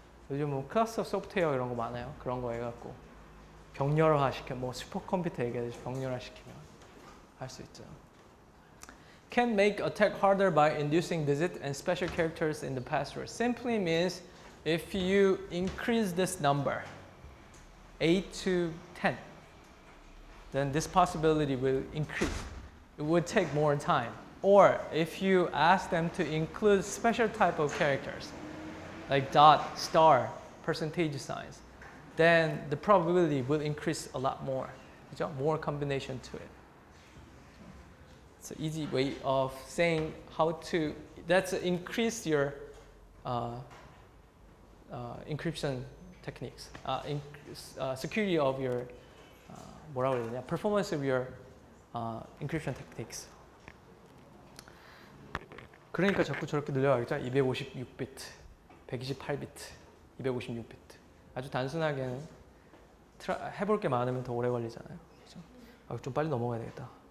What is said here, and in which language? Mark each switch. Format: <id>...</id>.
<ko>요즘 뭐 클러스터 소프트웨어 이런 거 많아요. 그런 거 해갖고 병렬화 시켜. 뭐 슈퍼컴퓨터 얘기하듯이 병렬화 시키면 할 수 있죠.</ko> <en>Can make attack harder by inducing digit and special characters in the password. Simply means if you increase this number, 8 to 10, then this possibility will increase. It would take more time. Or if you ask them to include special type of characters, like dot, star, percentage signs, then the probability will increase a lot more. More combination to it. It's an easy way of saying how to, that's increase your encryption techniques, security of your,</en> <ko>뭐라고 해야 되냐,</ko> <en>performance of your encryption techniques.</en> <ko>그러니까 자꾸 저렇게 늘려가겠죠? 256비트, 128비트, 256비트. 아주 단순하게는 해볼 게 많으면 더 오래 걸리잖아요. 아, 좀 빨리 넘어가야 되겠다.</ko>